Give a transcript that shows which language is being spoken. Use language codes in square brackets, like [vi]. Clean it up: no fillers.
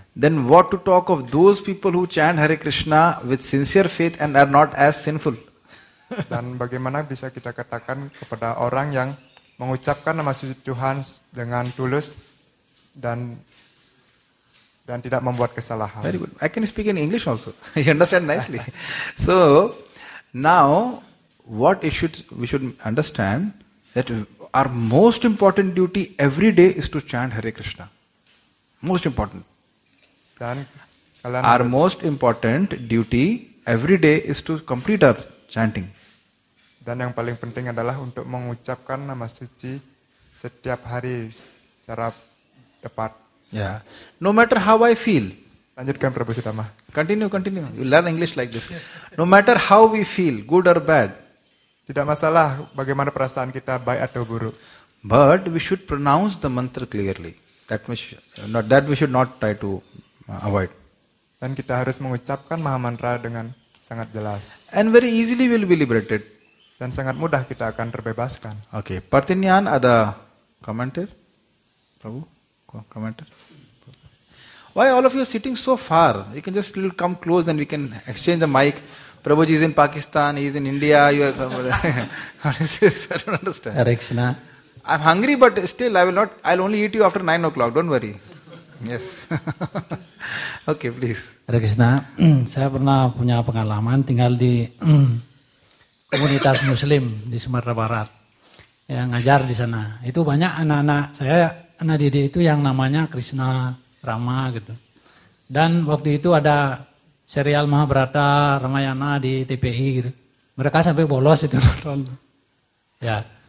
[en] Then what to talk of those people who chant Hare Krishna with sincere faith and are not as sinful? [id] Dan bagaimana bisa kita katakan kepada orang yang mengucapkan nama suci Tuhan dengan tulus dan tidak membuat kesalahan. [en] Very good. I can speak in English also. You understand nicely. So now, what we should understand that our most important duty every day is to chant Hare Krishna. Most important. [id] Dan [en] our most important duty every day is to complete our chanting. [id] Dan yang paling penting adalah untuk mengucapkan nama suci setiap hari secara tepat. [en] Yeah. No matter how I feel. [id] Lanjutkan Prabhu Sitama. [en] Continue. You learn English like this. No matter how we feel, good or bad. [id] Tidak masalah bagaimana perasaan kita, baik atau buruk. [en] But we should pronounce the mantra clearly. That we should not try to avoid. [id] Dan kita harus mengucapkan mahamantra dengan sangat jelas. [en] And very easily we'll be liberated. [id] Dan sangat mudah kita akan terbebaskan. Okay, pertanyaan ada komentar? Prabhu, komentar? [en] Why all of you sitting so far? You can just little come close and we can exchange the mic. Prabhu ji is in Pakistan, he is in India, you are somewhere. What is this? I don't understand. Hare Krishna. I'm hungry, but still I'll only eat you after 9 o'clock, don't worry. Yes. Okay, please. Hare Krishna. [id] Saya pernah punya pengalaman tinggal di komunitas Muslim di Sumatera Barat yang ngajar di sana. Itu banyak anak-anak saya, anak didik itu yang namanya Krishna Rama gitu. Dan waktu itu ada serial Mahabharata Ramayana di TPI gitu. Mereka sampai bolos itu. Ya.